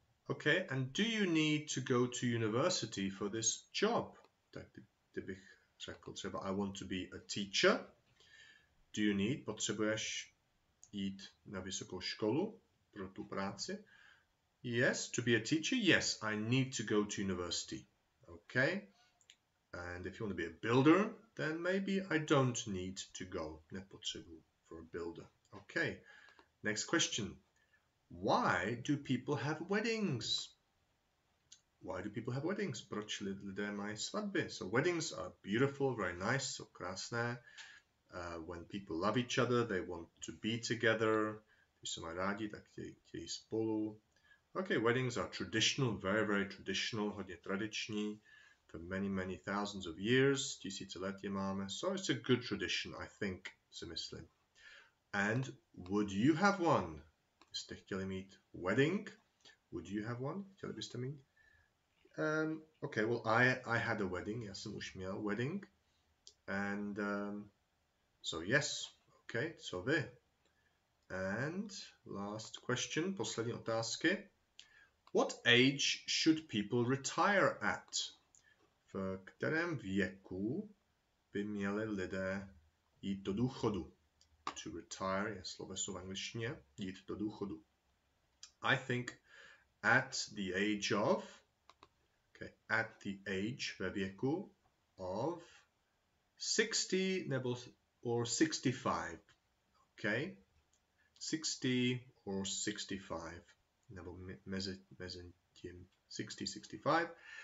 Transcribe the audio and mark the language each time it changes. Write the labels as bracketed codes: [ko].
[en] Okay, and do you need to go to university for this job? [cs] Tak, kdybych řekl třeba, [en] I want to be a teacher. Do you need, [cs] potřebuješ jít na vysokou školu pro tu práci? [en] Yes, to be a teacher, yes, I need to go to university. Okay, and if you want to be a builder, then maybe I don't need to go. [cs] Nepotřebuji [en] for a builder. Okay, next question. Why do people have weddings? Why do people have weddings? [cs] Proč lidé mají svatby? [en] So weddings are beautiful, very nice, so krásné. When people love each other, they want to be together. [cs] Když se mají rádi, tak chtějí spolu. [en] Okay, weddings are traditional, very, very traditional, [cs] hodně tradiční. [en] For many, many thousands of years, [cs] tisíce let je máme. [en] So it's a good tradition, I think, [cs] si myslím. [en] And would you have one? [cs] Jste chtěli mít wedding? [en] Would you have one? [cs] Chtěli byste mít? [en] Okay, well, I had a wedding, [cs] já jsem už měl [en] wedding, and so yes, okay, [cs] co vy? [en] And last question, [cs] poslední otázky, [en] what age should people retire at? [cs] V kterém věku by měli lidé jít do důchodu? [en] To retire [cs] je sloveso v angličtině, jít do důchodu. [en] I think at the age of, okay, at the age, [cs] ve věku, [en] of 60 nebo, or 65, okay? [cs] 60 or 65, nebo mezi tím, 60, 65.